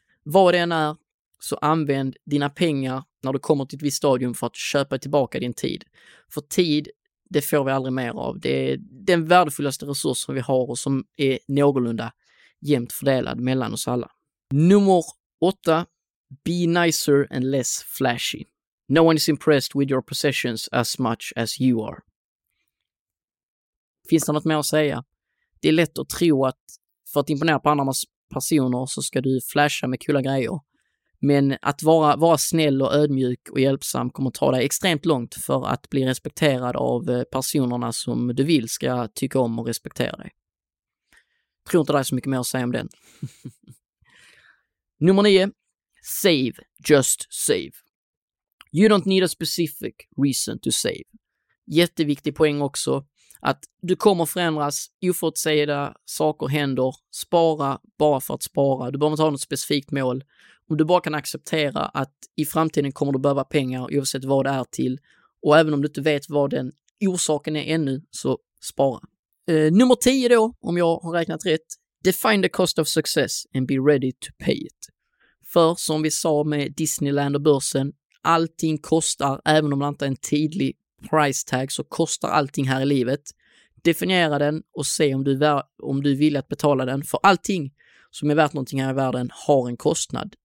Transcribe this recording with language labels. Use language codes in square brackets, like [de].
[sv] Vad det än är, så använd dina pengar när du kommer till ett visst stadium för att köpa tillbaka din tid. För tid, det får vi aldrig mer av. Det är den värdefullaste resurs som vi har och som är någorlunda jämnt fördelad mellan oss alla. Nummer 8. [en] Be nicer and less flashy. No one is impressed with your possessions as much as you are. [sv] Finns det något mer att säga? Det är lätt att tro att för att imponera på andra personer så ska du flasha med coola grejer. Men att vara snäll och ödmjuk och hjälpsam kommer ta dig extremt långt för att bli respekterad av personerna som du vill ska tycka om och respektera dig. Tror inte det är så mycket mer att säga om den. Nummer 9. [en] Save. Just save. You don't need a specific reason to save. [sv] Jätteviktig poäng också. Att du kommer förändras, oförutsedda saker händer. Spara bara för att spara. Du behöver inte ha något specifikt mål. Om du bara kan acceptera att i framtiden kommer du behöva pengar oavsett vad det är till. Och även om du inte vet vad den orsaken är ännu, så spara. Nummer 10 då, om jag har räknat rätt. [en] Define the cost of success and be ready to pay it. [sv] För som vi sa med Disneyland och börsen, allting kostar, även om det inte är en tidlig price tag, så kostar allting här i livet. Definiera den och se om du vill att betala den. För allting som är värt någonting här i världen har en kostnad.